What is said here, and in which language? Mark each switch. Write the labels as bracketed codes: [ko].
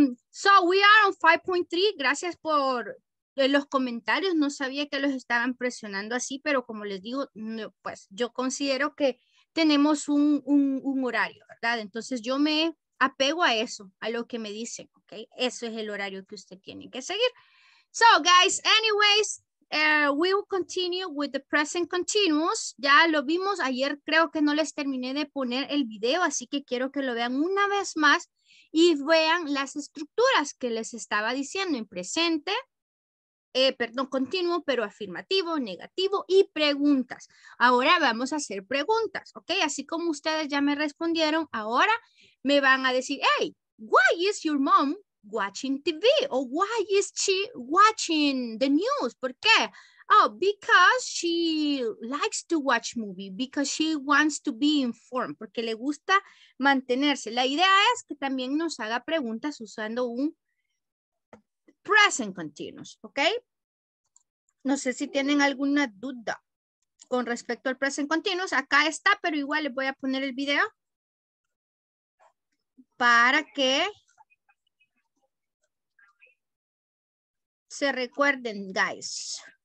[en] So we are on 5.3. [es] Gracias por los comentarios. No sabía que los estaban presionando así, pero como les digo, no, pues yo considero que tenemos un horario, ¿verdad? Entonces yo me apego a eso, a lo que me dicen, ¿ok? Eso es el horario que usted tiene que seguir. [en] So, guys, anyways, we will continue with the present continuous. [es] Ya lo vimos ayer, creo que no les terminé de poner el video, así que quiero que lo vean una vez más y vean las estructuras que les estaba diciendo en presente, continuo, pero afirmativo, negativo y preguntas. Ahora vamos a hacer preguntas, ¿ok? Así como ustedes ya me respondieron, ahora me van a decir, [en] hey, why is your mom watching TV. Or why is she watching the news? [es] ¿Por qué? [en] Oh, because she likes to watch movie, because she wants to be informed, [es] porque le gusta mantenerse. La idea es que también nos haga preguntas usando un present continuous, ¿ok? No sé si tienen alguna duda con respecto al present continuous. Acá está, pero igual les voy a poner el video para que se recuerden, guys.